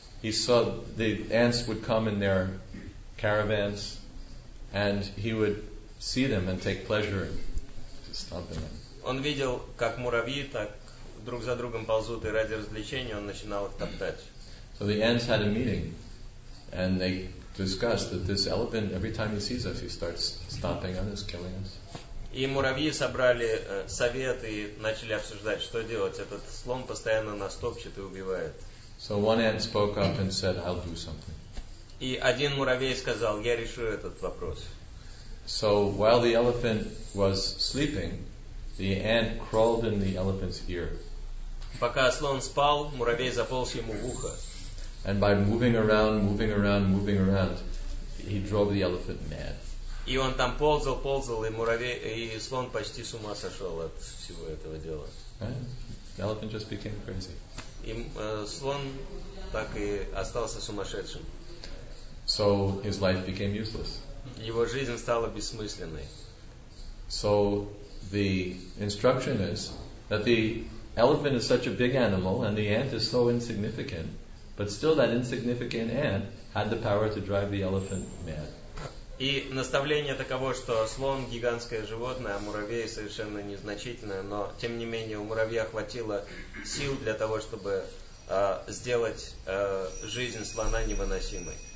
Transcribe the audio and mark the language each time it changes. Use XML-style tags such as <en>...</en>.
<en>He saw the ants would come in their caravans, and he would see them and take pleasure in stomping them.</en> <ru>Он видел, как муравьи так друг за другом ползут, и ради развлечения он начинал их топтать.</ru> <en>So the ants had a meeting, and they discussed that this elephant, every time he sees us, he starts stomping on us, killing us.</en> <ru>И муравьи собрали совет и начали обсуждать, что делать. Этот слон постоянно нас топчет и убивает.</ru> <en>So one ant spoke up and said, "I'll do something."</en> <ru>И один муравей сказал, "Я решу этот вопрос."</ru> <en>So while the elephant was sleeping, the ant crawled in the elephant's ear.</en> <ru>Пока слон спал, муравей заполз ему в ухо.</ru> <en>And by moving around, moving around, moving around, he drove the elephant mad.</en> <ru>И он там ползал, ползал, и муравей, и слон почти с ума сошел от всего этого дела.</ru> <en>The elephant just became crazy.</en> <ru>И слон так и остался сумасшедшим.</ru> <en>So his life became useless.</en> <ru>Его жизнь стала бессмысленной.</ru> <en>So the instruction is that the elephant is such a big animal and the ant is so insignificant, but still that insignificant ant had the power to drive the elephant mad.</en> <ru>И наставление таково, что слон – гигантское животное, а муравей – совершенно незначительное, но, тем не менее, у муравья хватило сил для того, чтобы сделать жизнь слона невыносимой.</ru>